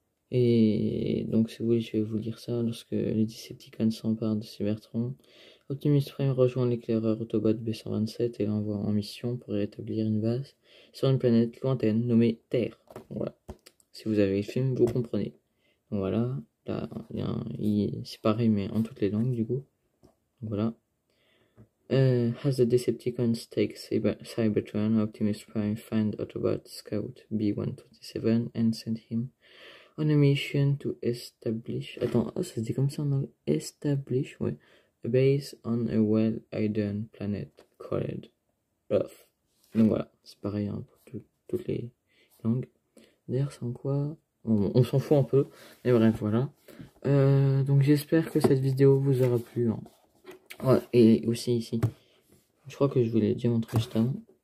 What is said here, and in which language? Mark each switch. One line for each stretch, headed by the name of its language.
French: Et donc, si vous voulez, je vais vous lire ça. Lorsque les Decepticons s'emparent de Cybertron, Optimus Prime rejoint l'éclaireur Autobot B127 et l'envoie en mission pour rétablir une base sur une planète lointaine nommée Terre. Voilà. Si vous avez le film, vous comprenez. Voilà, là, c'est pareil, mais en toutes les langues, du coup. Voilà.
English: As the Decepticons take Cybertron, Optimus Prime find Autobot Scout B127 and send him on a mission to establish.
French: Attends, oh, ça se dit comme ça en anglais. Establish, ouais.
English: A base on a well-hidden planet called Earth.
French: Donc voilà, c'est pareil hein, pour toutes les langues. D'ailleurs, sans quoi, on s'en fout un peu. Mais bref, voilà. Donc, j'espère que cette vidéo vous aura plu. Hein. Ouais, et aussi ici, je crois que je vous l'ai déjà montré juste avant.